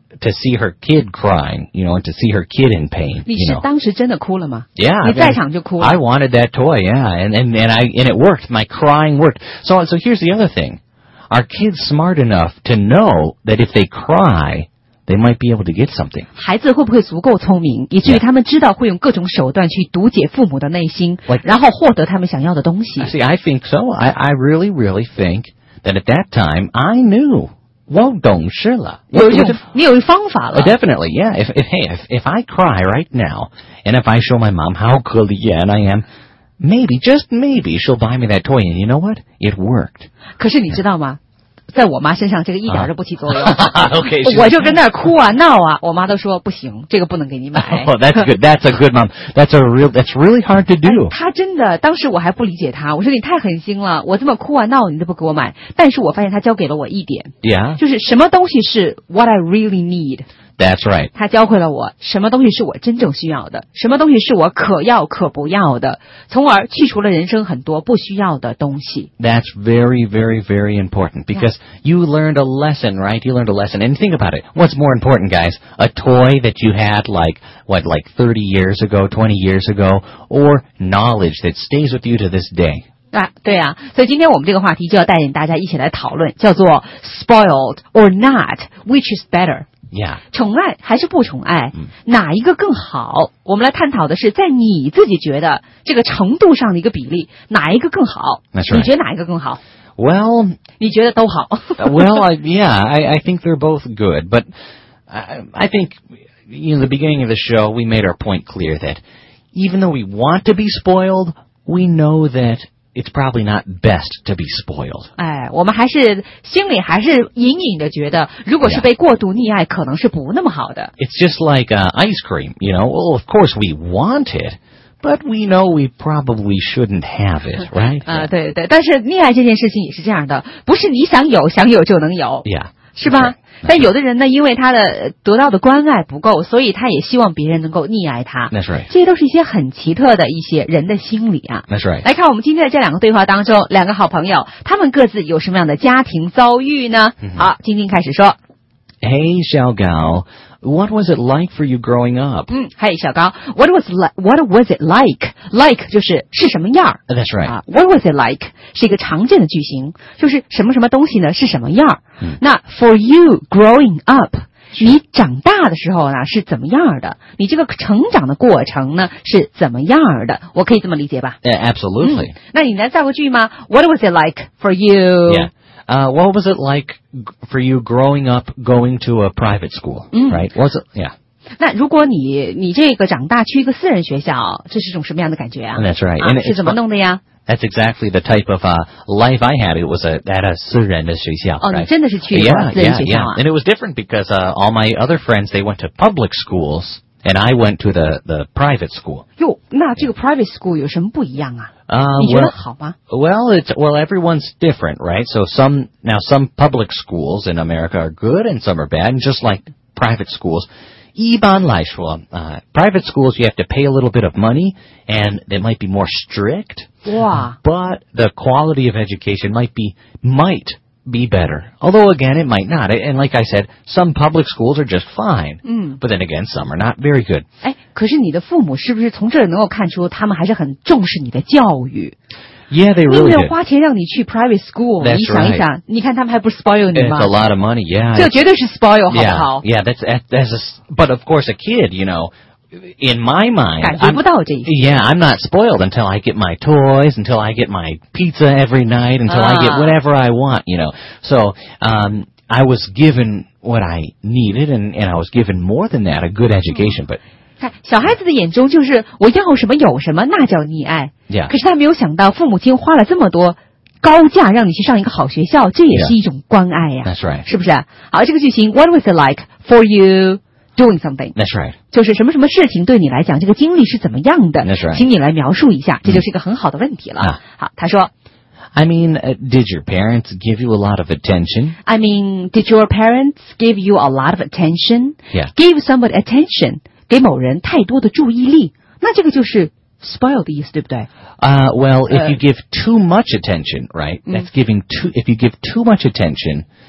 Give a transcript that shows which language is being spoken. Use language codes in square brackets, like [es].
[en] to see her kid crying, you know, and to see her kid in pain. [zh] 你是当时真的哭了吗？ [en] Yeah. [zh] 你在场就哭了。 [en] I wanted that toy, yeah. And it worked. My crying worked. So here's the other thing. Are kids smart enough to know that if they cry... They might be able to get something. [zh] 孩子会不会足够聪明，以至于他们知道会用各种手段去读解父母的内心，然后获得他们想要的东西。 [en] See, I think so. I really, really think that at that time, I knew. [zh] 我懂事了。你有方法了。 [en] Definitely, yeah. If I cry right now, and if I show my mom how [zh] 可怜 [en] I am, maybe, just maybe, she'll buy me that toy. And you know what? It worked. [zh] 可是你知道吗？在我妈身上这个一点都不起作用。 [en] Okay, [zh] 我就跟那儿哭啊闹啊我妈都说不行这个不能给你买。 [en] Oh, that's good, that's a good mom. That's really hard to do. [zh] 她真的当时我还不理解她我说你太狠心了我这么哭啊闹你都不给我买。但是我发现她教给了我一点。 [en] Yeah. [zh] 就是什么东西是 [en] what I really need. That's right. [zh] 她教会了我什么东西是我真正需要的什么东西是我可要可不要的从而去除了人生很多不需要的东西。 [en] That's very, very, very important because you learned a lesson, right? You learned a lesson. And think about it. What's more important, guys? A toy that you had like 30 years ago, 20 years ago, or knowledge that stays with you to this day? [zh] 啊对啊所以今天我们这个话题就要带领大家一起来讨论叫做 [en] spoiled or not, which is better? Yeah. [zh] 宠爱还是不宠爱、哪一个更好我们来探讨的是在你自己觉得这个程度上的一个比例哪一个更好 [en] That's right. [zh] 你觉得哪一个更好 [en] Well, [zh] 你觉得都好 [en] Well, yeah, I think they're both good. But I think in the beginning of the show, we made our point clear that even though we want to be spoiled, we know thatIt's probably not best to be spoiled. [zh] 哎，我们还是心里还是隐隐的觉得，如果是被过度溺爱，可能是不那么好的。 [en] It's just like ice cream, you know. Well, of course we want it, but we know we probably shouldn't have it, right? [zh] 对对。但是溺爱这件事情也是这样的，不是你想有想有就能有。 [en] Yeah. [zh] 是吧 [en] right. [zh] 但有的人呢因为他的得到的关爱不够所以他也希望别人能够溺爱他 [en] That's right. [zh] 这些都是一些很奇特的一些人的心理啊 [en] That's right. [zh] 来看我们今天的这两个对话当中两个好朋友他们各自有什么样的家庭遭遇呢、 mm-hmm. 好静静开始说 [en] Hey, 小高 What was it like for you growing up? Hey, 小高 What was it like? Like [zh] 就是什么样 [en] That's right.、 What was it like? [zh] 是一个常见的句型就是什么什么东西呢是什么样那 [en] for you growing up, [zh] 你长大的时候呢是怎么样的你这个成长的过程呢是怎么样的我可以这么理解吧 [en] yeah, Absolutely.、 [zh] 那你能造个句吗 [en] What was it like for you? Yeah.、what was it like for you growing up going to a private school?、right? Was it, yeah. [zh] 那如果你这个长大去一个私人学校这是一种什么样的感觉啊 [en] That's right.、 [zh] 是怎么弄的呀 [en] That's exactly the type of life I had. It was at a [zh] 私人的学校 Oh, 你真的是去了私人学校啊 [en] Yeah, yeah, And it was different because all my other friends, they went to public schools, and I went to the private school. [zh] 哟，那这个 private school 有什么不一样啊？你觉得好吗？ [en] Well, everyone's different, right? So some public schools in America are good and some are bad, and just like private schools. [zh] 一般来说 [en] private schools, you have to pay a little bit of money, and they might be more strict. Wow. But the quality of education might be better. Although, again, it might not. And like I said, some public schools are just fine. But then again, some are not very good. [zh] 可是你的父母是不是从这能够看出他们还是很重视你的教育 [en] Yeah, they really did. [zh] 你没有花钱让你去 private school. [en] That's [zh] 你想一想 [en] right. [zh] 你看他们还不 spoil 你吗 [en] It's a lot of money, yeah. [zh] 这绝对是 spoil, 好不好 [en] Yeah, yeah but of course, a kid, you know, in my mind, [zh] 感觉不到这一些 [en] Yeah, I'm not spoiled until I get my toys, until I get my pizza every night, until I get whatever I want, you know. So, I was given what I needed, and I was given more than that, a good education, but... [zh] 小孩子的眼中就是我要什么有什么那叫溺爱、 [en] yeah. [zh] 可是他没有想到父母亲花了这么多高价让你去上一个好学校这也是一种关爱呀、 [en] yeah. That's right. [zh] 是不是好这个句型 [en] What was it like for you doing something That's right. [zh] 就是什么什么事情对你来讲这个经历是怎么样的 [en] That's right. [zh] 请你来描述一下这就是一个很好的问题了、好他说 [en] I mean, did your parents give you a lot of attention? I mean, did your parents give you a lot of attention? Yeah. Give somebody attention [zh] 给某人太多的注意力那这个就是 spoil 的意思对不对 [en] well, if you give too much attention, right, that's giving too much attention,